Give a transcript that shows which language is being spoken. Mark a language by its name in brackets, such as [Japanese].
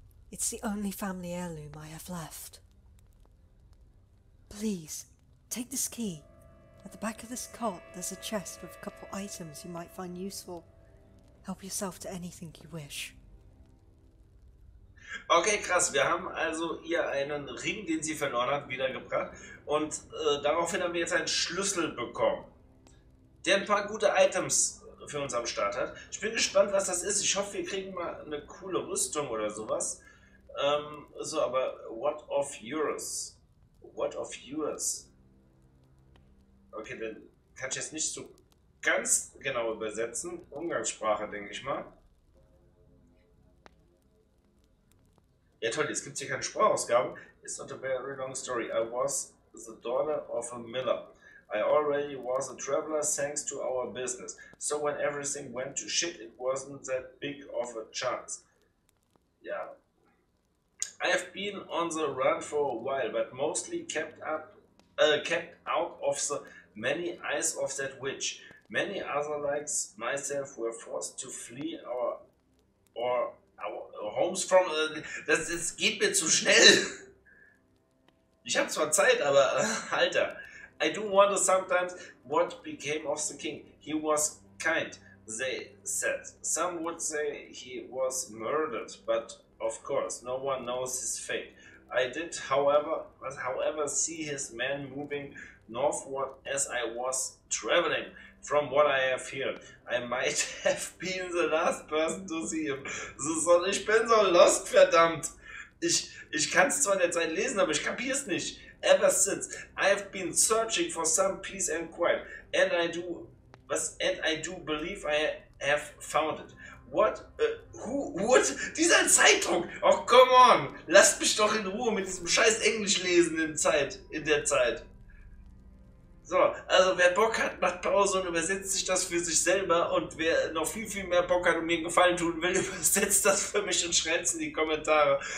[English] It's the only family heirloom I have left. Please, take this key. At the back of this cot, there's a chest with a couple items you might find useful. Help yourself to anything you wish. [German] Okay, krass. Wir haben also ihr einen Ring, den sie verloren hat, wiedergebracht. Und daraufhin haben wir jetzt einen Schlüssel bekommen, der ein paar gute Items für uns am Start hat. Ich bin gespannt, was das ist. Ich hoffe, wir kriegen mal eine coole Rüstung oder sowas. So, aber [English] what of yours? What of yours? [German] Okay, dann kann ich jetzt nicht so ganz genau übersetzen. Umgangssprache, denke ich mal. Ja toll, jetzt gibt es hier keine Sprachausgaben. [English] It's not a very long story. I was the daughter of a miller. I already was a traveler thanks to our business. So when everything went to shit, it wasn't that big of a chance. Ja. I have been on the run for a while, but mostly kept out of the many eyes of that witch. Many other likes myself were forced to flee our homes from... [German] Das geht mir zu schnell. Ich hab zwar Zeit, aber Alter. [English] I do wonder sometimes what became of the king. He was kind, they said. Some would say he was murdered, but... Of course, no one knows his fate. I did, however, see his men moving northward as I was traveling. From what I have heard, I might have been the last person to see him. [German] Ich bin so lost, verdammt. Ich kann es zwar in der Zeit lesen, aber ich kapiere es nicht. [English] Ever since, I have been searching for some peace and quiet. And I do believe I have found it. What? What? [German] Dieser Zeitdruck! [English] Oh, come on! [German] Lasst mich doch in Ruhe mit diesem scheiß Englisch lesen in der Zeit. So, also wer Bock hat, macht Pause und übersetzt sich das für sich selber. Und wer noch viel, viel mehr Bock hat und mir einen Gefallen tun will, übersetzt das für mich und schreibt es in die Kommentare.